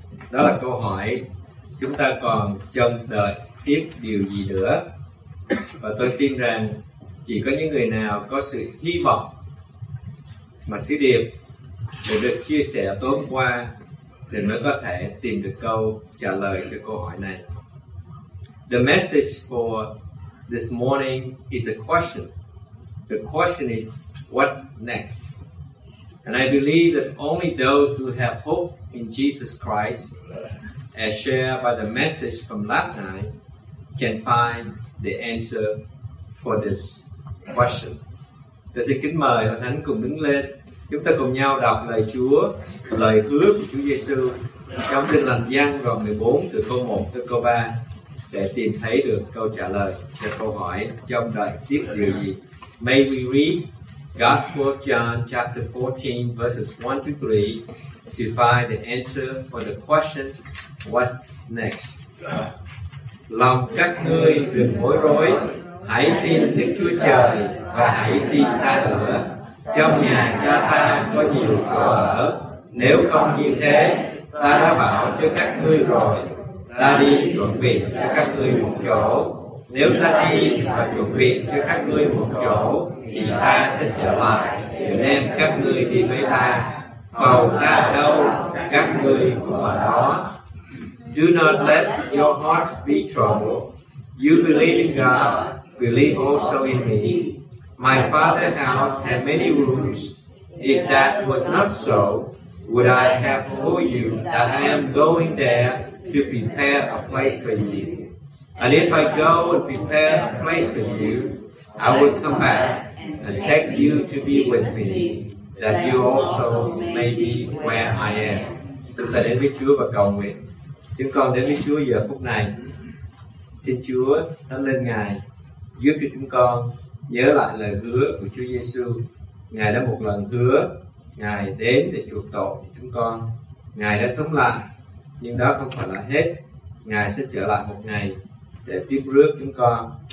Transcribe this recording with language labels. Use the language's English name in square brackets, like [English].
[Vietnamese] Đó là câu hỏi chúng ta còn trông đợi tiếp điều gì nữa. Và tôi tin rằng chỉ có những người nào có sự hy vọng mà sứ điệp được chia sẻ tối hôm qua thì mới có thể tìm được câu trả lời cho câu hỏi này. [English] The message for this morning is a question. The question is, what next? And I believe that only those who have hope in Jesus Christ, as shared by the message from last night, can find the answer for this question. [Vietnamese] Tôi xin kính mời Hội Thánh cùng đứng lên. Chúng ta cùng nhau đọc lời Chúa, lời hứa của Chúa Giê-xu trong Kinh Thánh Giăng đoạn 14 từ câu 1 tới câu 3 để tìm thấy được câu trả lời cho câu hỏi trong đời tiếp điều gì. [English] May we read Gospel of John chapter 14 verses 1 to 3 to find the answer for the question, what's next? [Vietnamese] Lòng các ngươi đừng bối rối, hãy tin Đức Chúa Trời và hãy tin ta nữa. Trong nhà cha ta có nhiều chỗ ở, nếu không như thế, ta đã bảo cho các ngươi rồi. Ta đi chuẩn bị cho các ngươi một chỗ. Nếu ta đi và chuẩn bị cho các ngươi một chỗ, thì ta sẽ trở lại để đem các ngươi đi với ta. Hầu ta đâu, các ngươi cũng ở đó. [English] Do not let your hearts be troubled. You believe in God, believe also in me. My father's house had many rooms. If that was not so, would I have told you that I am going there to prepare a place for you? And if I go and prepare a place for you, I will come back and take you to be with me, that you also may be where I am. [Vietnamese] Chúng ta đến với Chúa và cầu nguyện. Chúng con đến với Chúa giờ phút này. Xin Chúa thánh linh Ngài giúp cho chúng con nhớ lại lời hứa của Chúa Giê-xu. Ngài đã một lần hứa Ngài đến để chuộc tội chúng con. Ngài đã sống lại, nhưng đó không phải là hết. Ngài sẽ trở lại một ngày để tiếp rước chúng con.